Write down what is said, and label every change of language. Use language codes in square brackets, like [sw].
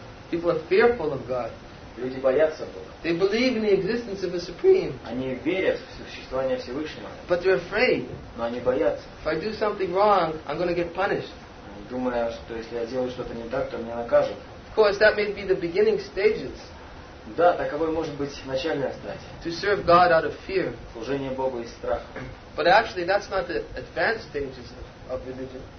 [en] People are fearful of God. [ru] Люди боятся Бога. [en] They believe in the existence of the Supreme. [ru] Они верят в существование Всевышнего. [en] But they're afraid. [ru] Но они боятся. [en] If I do something wrong, I'm going to get punished. [ru] Думая, что если я делаю что-то не так, то меня накажут. [en] Of course, that may be the beginning stages. [ru] Да, таковой может быть начальная стадия. [en] To serve God out of fear. [ru] Служение Богу из страха. [en] But actually, that's not the advanced stages of religion.